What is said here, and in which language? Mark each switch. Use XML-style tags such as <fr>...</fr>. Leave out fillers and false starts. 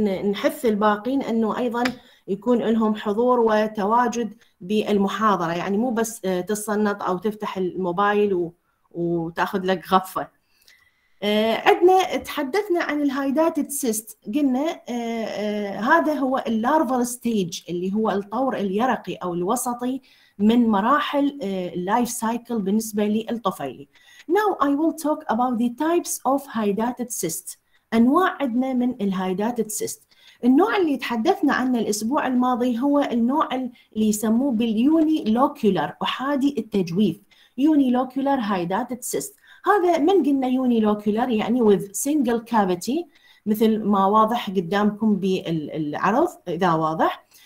<ar>نحث الباقين انه ايضا يكون لهم حضور وتواجد بالمحاضره، يعني مو بس تصنط او تفتح الموبايل وتاخذ لك غفه. عندنا تحدثنا عن الهايدات سيست، قلنا هذا هو اللارفال ستيج، اللي هو الطور اليرقي او الوسطي من مراحل اللايف سايكل بالنسبه للطفيلي.</ar> <en>Now I will talk about the types of hydatid cyst.</en> <ar>انواع عندنا من الهايدات سيست. النوع اللي تحدثنا عنه الاسبوع الماضي هو النوع اللي يسموه باليوني لوكيولار، احادي التجويف، يوني لوكيولار هايدات سيست. هذا من قلنا يوني لوكيولار يعني</ar> <en>with single cavity،</en> <ar>مثل ما واضح قدامكم بالعرض اذا واضح.</ar>